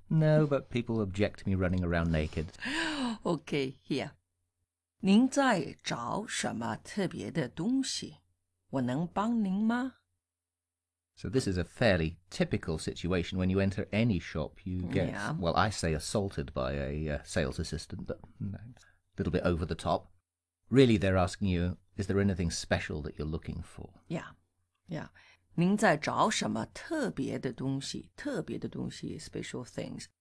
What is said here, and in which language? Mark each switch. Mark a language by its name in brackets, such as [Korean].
[English] No, but people object to me running around naked. Okay, here. [Chinese] 您在找什么特别的东西? 我能帮您吗? [English] So this is a fairly typical situation when you enter any shop, you get, well, I say assaulted by a sales assistant, but a little bit over the top. Really, they're asking you, is there anything special that you're looking for? Yeah, yeah. [Chinese] 您在找什么特别的东西,特别的东西, [English] special things.